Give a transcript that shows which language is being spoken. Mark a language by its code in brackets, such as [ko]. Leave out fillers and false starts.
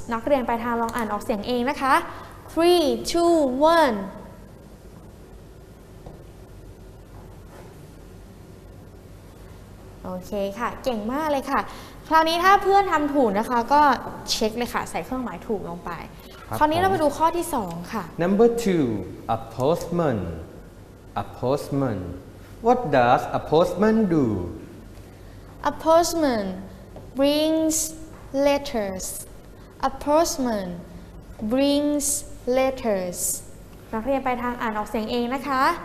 [th] นักเรียนปลายทางลองอ่านออกเสียงเองนะคะ 3 2 1โอเคค่ะเก่งมากเลยค่ะคราวนี้ถ้าเพื่อนทำถูกนะคะก็เช็คเลยค่ะใส่เครื่องหมายถูกลงไปคราวนี้เราไปดูข้อที่2ค่ะ [en] Number 2 A postman A postman What does a postman do? A postman brings letters A postman brings letters [th] นักเรียนไปทางอ่านออกเสียงเองนะคะ